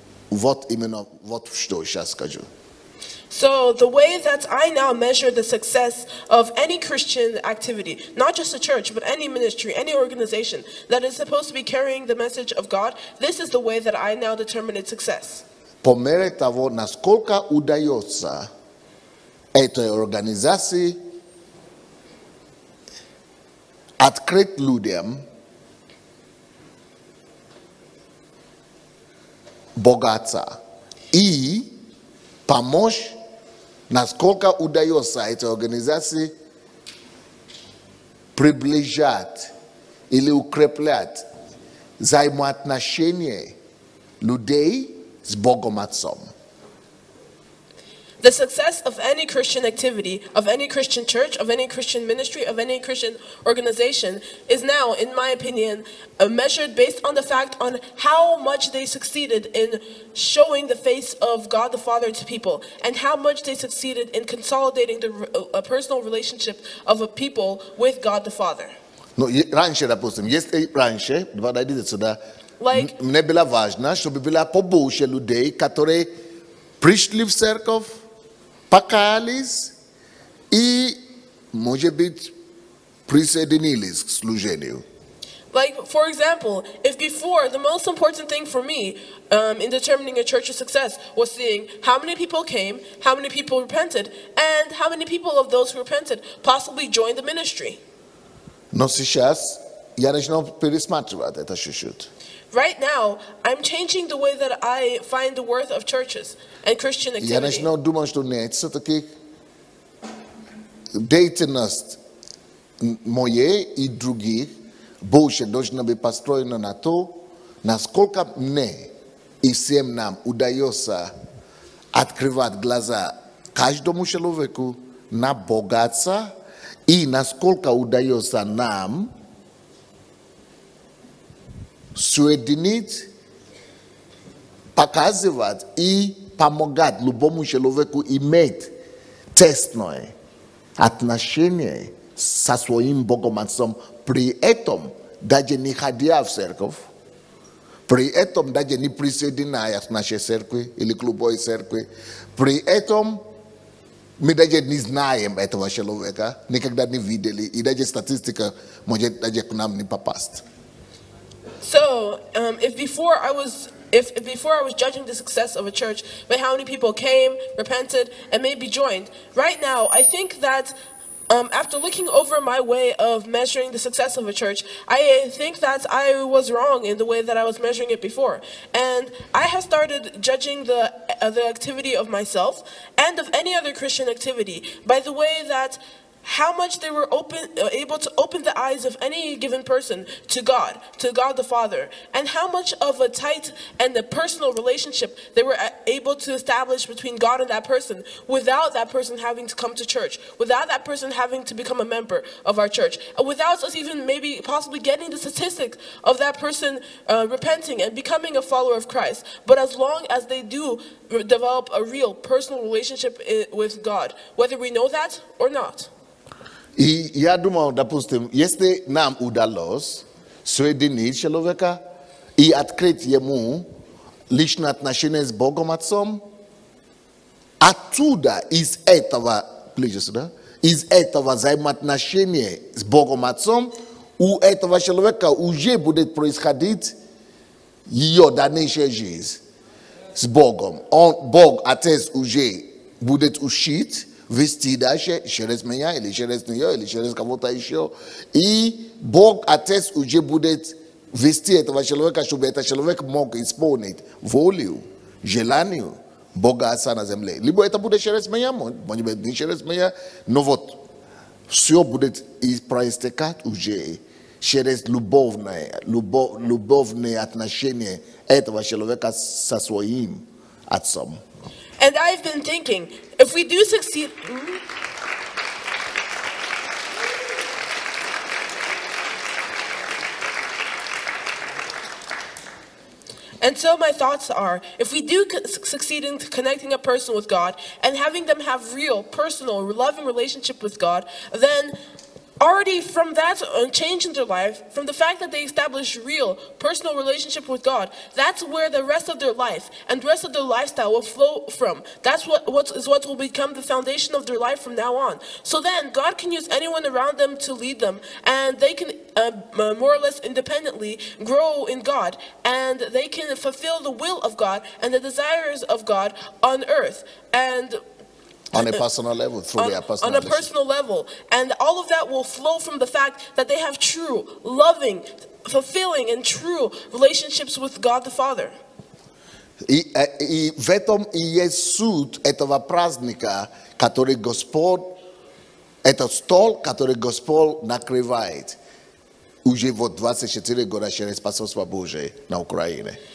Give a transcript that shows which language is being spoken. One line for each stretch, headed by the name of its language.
Russian: Вот именно вот что сейчас скажу.
English: So the way that I now measure the success of any Christian activity, not just a church, but any ministry, any organization that is supposed to be carrying the message of God, this is the way that I now determine its success.
Russian: По мере того, насколько удается этой организации открыть людям Бога Отца и помочь, насколько удается этой организации приближать или укреплять взаимоотношения людей с Богом Отцом.
English: The success of any Christian activity, of any Christian church, of any Christian ministry, of any Christian organization is now, in my opinion, measured based on the fact on how much they succeeded in showing the face of God the Father to people, and how much they succeeded in consolidating the a personal relationship of a people with God the Father.
Russian: No, раньше, допустим, если раньше, подойдите сюда, мне было важно, чтобы было побольше людей, которые пришли в церковь, покаялись и, может быть, присоединились к служению.
English: Like, for example, if before, the most important thing for me in determining a church's success was seeing how many people came, how many people repented, and how many people of those who repented possibly joined the ministry.
Russian: Но сейчас я начинаю пересматривать это чуть-чуть.
English: Right now, I'm changing the way that I find the worth of churches and Christian activity.
Russian: Я начинаю думать, что нет, все-таки деятельность моей и других больше должна быть построена на то, насколько мне и всем нам удается открывать глаза каждому человеку на Бога Отца, и насколько удается нам соединить, показывать и помогать любому человеку иметь тесное отношение со своим Богом Отцом, при этом даже не ходя в церковь, при этом даже не присоединяясь к нашей церкви или к любой церкви, при этом мы даже не знаем этого человека, никогда не видели, и даже статистика может даже к нам не попасть.
English: So, if before I was judging the success of a church by how many people came, repented, and maybe joined, right now I think that after looking over my way of measuring the success of a church, I think that I was wrong in the way that I was measuring it before. And I have started judging the activity of myself and of any other Christian activity by the way that how much they were able to open the eyes of any given person to God the Father, and how much of a tight and a personal relationship they were able to establish between God and that person without that person having to come to church, without that person having to become a member of our church, without us even maybe possibly getting the statistics of that person repenting and becoming a follower of Christ. But as long as they do develop a real personal relationship with God, whether we know that or not.
Russian: И я думаю, допустим, если нам удалось соединить человека и открыть ему личные отношения с Богом Отцом, оттуда, из этого, ближе сюда, из этого взаимоотношения с Богом Отцом, у этого человека уже будет происходить ее дальнейшая жизнь с Богом. Он, Бог, Отец уже будет учить, вести дальше через меня или через нее или через кого-то еще, и Бог Отец уже будет вести этого человека, чтобы этот человек мог исполнить волю, желание Бога Отца на земле. Либо это будет через меня, может быть не через меня, но вот все будет проистекать уже через любовные отношения этого человека со своим Отцом.
English: And I've been thinking, if we do succeed, and so my thoughts are, if we do succeed in connecting a person with God and having them have real, personal, loving relationship with God, then already from that change in their life, from the fact that they establish real personal relationship with God, that's where the rest of their life and the rest of their lifestyle will flow from. That's what will become the foundation of their life from now on. So then God can use anyone around them to lead them, and they can more or less independently grow in God, and they can fulfill the will of God and the desires of God on earth. And on a personal level, through their personal on a personal level. And all of that will flow from the fact that they have true, loving, fulfilling, and true relationships with God the Father.
Russian: И в этом и есть суть этого праздника, который Господь, этот стол, который Господь накрывает. уже вот 24 года через посольство Божие на Украине.